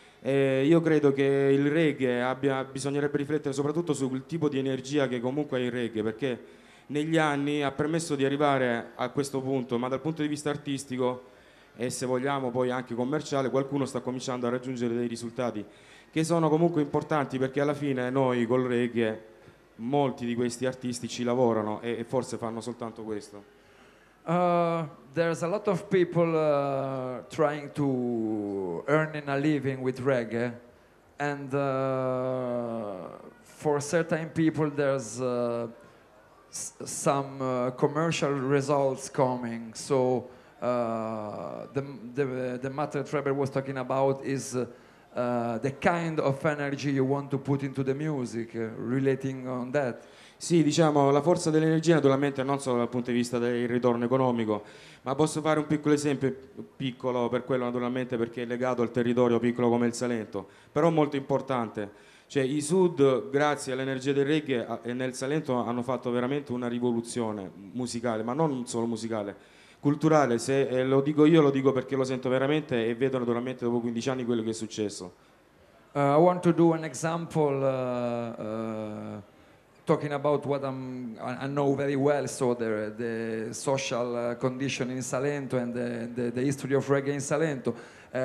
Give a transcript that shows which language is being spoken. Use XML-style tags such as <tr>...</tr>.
<it>Io credo che il reggae abbia, bisognerebbe riflettere soprattutto sul tipo di energia che comunque è il reggae, perché negli anni ha permesso di arrivare a questo punto, ma dal punto di vista artistico e se vogliamo poi anche commerciale, qualcuno sta cominciando a raggiungere dei risultati che sono comunque importanti, perché alla fine noi col reggae molti di questi artisti ci lavorano e forse fanno soltanto questo.</it> <en>There's a lot of people trying to earn a living with reggae, and for certain people there's some commercial results coming. So the matter Trevor was talking about is the kind of energy you want to put into the music, relating on that.</en> <it>Sì, diciamo, la forza dell'energia naturalmente non solo dal punto di vista del ritorno economico, ma posso fare un piccolo esempio, piccolo per quello naturalmente perché è legato al territorio piccolo come il Salento, però molto importante. Cioè i Sud, grazie all'energia del reggae e nel Salento, hanno fatto veramente una rivoluzione musicale, ma non solo musicale, culturale. Se lo dico io, lo dico perché lo sento veramente e vedo naturalmente dopo 15 anni quello che è successo.</it> <en>I want to do an example talking about what I know very well, so the social condition in Salento and the history of reggae in Salento.</en>